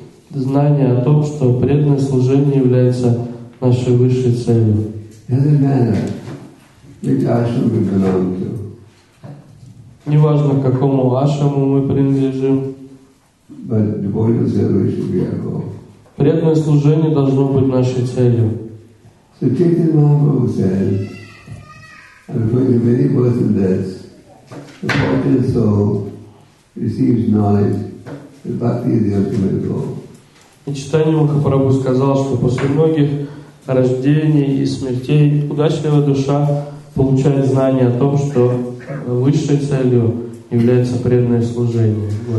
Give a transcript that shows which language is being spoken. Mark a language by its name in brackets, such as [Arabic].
[Russian] Знание о том, что преданное служение является нашей высшей целью. [English] Which ashram we belong to. [Russian] Неважно, к какому ашраму мы принадлежим. [English] But devotional service should be our goal. [Russian] Преданное служение должно быть нашей целью. [English] So Chaitanya Mahaprabhu said, and according to many births and deaths, the fortunate soul receives knowledge that bhakti is the ultimate goal. [Russian] И Читание Махапрабху сказал, что после многих рождений и смертей удачливая душа получает знание о том, что высшей целью является преданное служение